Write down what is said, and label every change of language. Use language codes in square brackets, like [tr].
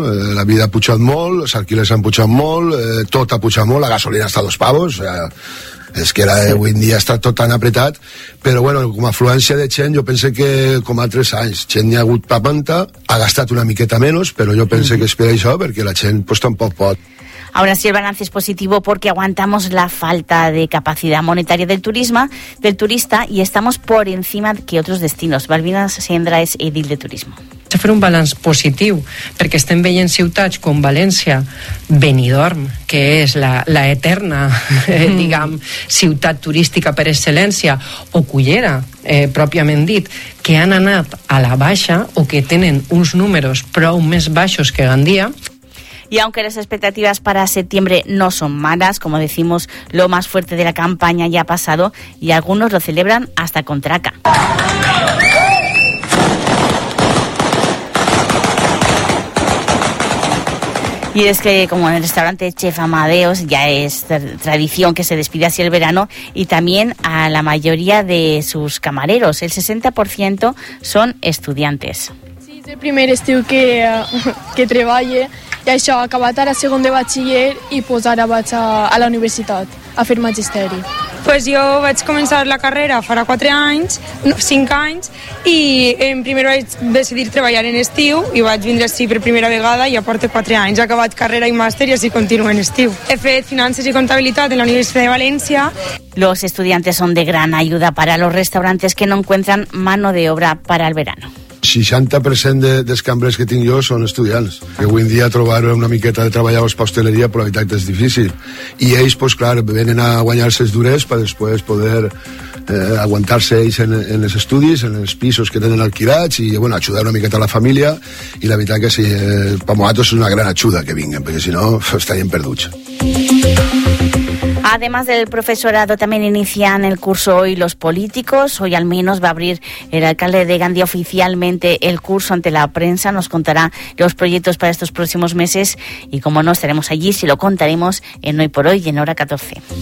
[ca] La vida ha pujat molt, els alquilers han pujat molt, tot ha pujat molt, la gasolina està a dos pavos, és que avui en dia està tot tan apretat, però bueno, com a afluència de gent, jo penso que com a altres anys, gent n'hi ha hagut pa panta, ha gastat una miqueta menys, però jo penso que espera això perquè la gent pues, tampoc pot. [es] Ahora sí, el balance es positivo porque aguantamos la falta de capacidad monetaria del turismo, del turista, y estamos por encima que otros destinos. Balbinas Sendra es edil de turismo. [ca] S'ha fet un balanç positiu perquè estem veient ciutats com València, Benidorm, que és la eterna, diguem, ciutat turística per excel·lència, o Cullera, pròpiament dit, que han anat a la baixa o que tenen uns números prou més baixos que Gandia. [es] Y aunque las expectativas para septiembre no son malas, como decimos, lo más fuerte de la campaña ya ha pasado y algunos lo celebran hasta con traca. Y es que como en el restaurante Chef Amadeus ya es tradición que se despide así el verano y también a la mayoría de sus camareros, el 60% son estudiantes. [ca] Sí, es el primer estiu que treballe. I això, acabat ara segon de batxiller i pues ara vaig a la universitat a fer magisteri. Pues jo vaig començar la carrera farà 4 anys, 5 anys, i en primer vaig decidir treballar en estiu i vaig vindre així per primera vegada i ja porto 4 anys. He acabat carrera i màster i així continuo en estiu. He fet finances i comptabilitat en la Universitat de València. [es] Los estudiantes son de gran ayuda para los restaurantes que no encuentran mano de obra para el verano. [ca] 60% dels cambrers que tinc jo són estudiants. Que avui en dia trobar una miqueta de treballadors per hosteleria, però la veritat és difícil. I ells, pues, clar, venen a guanyar-se els durers per després poder aguantar-se ells en els estudis, en els pisos que tenen alquilats i, bueno, ajudar una miqueta a la família. I la veritat que sí, per nosaltres és una gran ajuda que vinguin, perquè si no estarien perduts. [es] Además del profesorado, también inician el curso hoy los políticos. Hoy al menos va a abrir el alcalde de Gandía oficialmente el curso ante la prensa. Nos contará los proyectos para estos próximos meses y, como no, estaremos allí si lo contaremos en Hoy por Hoy y en Hora 14.